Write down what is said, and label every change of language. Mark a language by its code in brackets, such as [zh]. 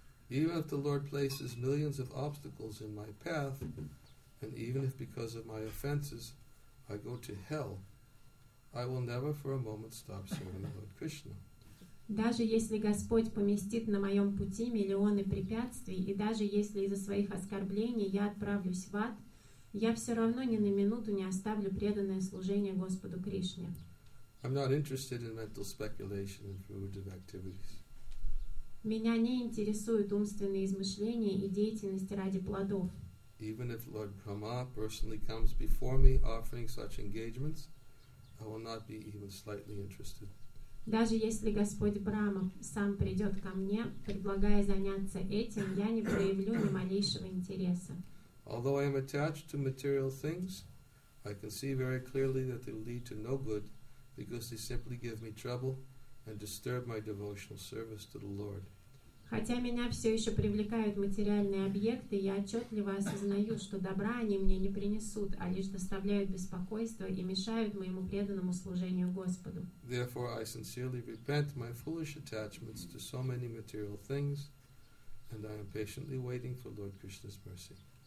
[en] Even if the Lord places millions of obstacles in my path, and even if because of my offenses I go to hell, I will never for a moment stop serving Lord Krishna. [ru] Даже если Господь поместит на моем пути миллионы препятствий, и даже если из-за своих оскорблений я отправлюсь в ад, я все равно ни на минуту не оставлю преданное служение Господу Кришне. [en] I'm not interested in mental speculation and fruitive activities. [ru] Меня не интересуют умственные измышления и деятельность ради плодов. [en] Even if Lord Brahma personally comes before me offering such engagements, I will not be even slightly interested. [ru] Даже если Господь Брама сам придет ко мне, предлагая заняться этим, я не проявлю ни малейшего интереса. [en] Although I am attached to material things, I can see very clearly that they lead to no good because they simply give me trouble and disturb my devotional service to the Lord. [ru] Хотя меня все еще привлекают материальные объекты, я отчетливо осознаю, что добра они мне не принесут, а лишь доставляют беспокойство и мешают моему преданному служению Господу. [en] Therefore, I sincerely repent my foolish attachments to so many material things, and I am patiently waiting for Lord Krishna's mercy.